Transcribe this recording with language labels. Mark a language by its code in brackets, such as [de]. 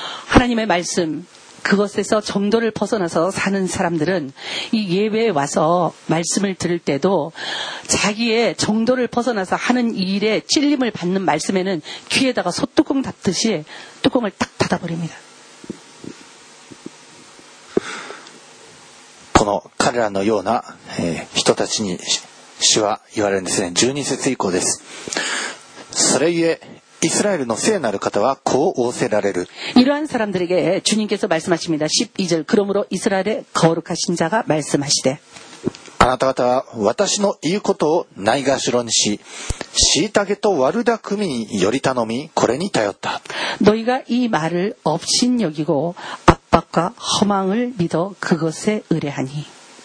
[ko] 하나님의말씀그것에서정도를벗어나서사는사람들은이예배에와서말씀을들을때도자기의정도를벗어나서하는일에찔림을받는말씀에는귀에다가솥뚜껑닫듯이뚜껑을딱닫아버립니다. [ja] この彼らのような人たちに主は言われるんですね。12節以降です。それゆえイスラエルの聖なる方はこう仰せられる。 [ko] 이러한사람들에게주님께서말씀하십니다. 12절그러므로이스라엘의거룩하신자가말씀하시되 [ja] あなた方は私の言うことをないがしろにし、しいたけと悪だくみにより頼み、これに頼った。 [ko] 너희가이말을업신여기고압박과허망을믿어그것에의뢰하니